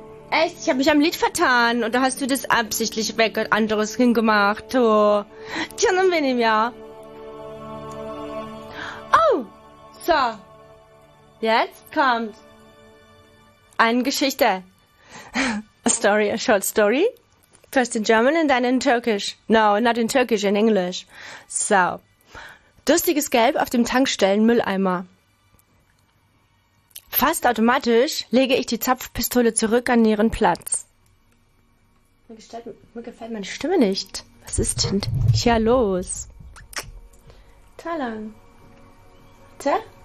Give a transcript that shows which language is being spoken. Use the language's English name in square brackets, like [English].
[German] Echt, ich habe mich am Lied vertan. Und da hast du das absichtlich weg und anderes hingemacht. Oh, tja, dann bin ich ja. Oh, so. Jetzt kommt eine Geschichte. [English] A story, a short story. First in German and then in Turkish. No, not in Turkish, in English. So. [German] Durstiges Gelb auf dem Tankstellenmülleimer. Fast automatisch lege ich die Zapfpistole zurück an ihren Platz. Mir gefällt meine Stimme nicht. Was ist denn hier los? Talang. Tja?